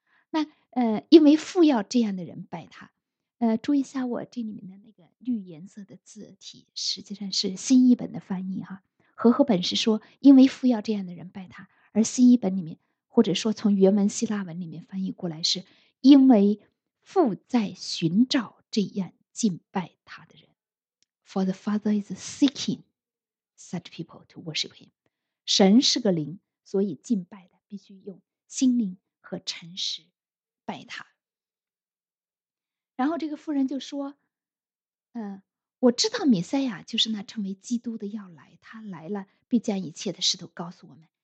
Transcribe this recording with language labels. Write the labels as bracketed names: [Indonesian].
[Chinese] 那因为父要这样的人拜他。注意一下我这里面的那个绿颜色的字体，实际上是新译本的翻译哈。和合本是说因为父要这样的人拜他，而新译本里面或者说从原文希腊文里面翻译过来是因为父在寻找这样敬拜他的人。 [English] For the Father is seeking such people to worship him。 [Chinese] 神是个灵，所以敬拜的必须用心灵和诚实拜他。然后这个妇人就说我知道弥赛亚就是那称为基督的要来，他来了必将一切的事都告诉我们。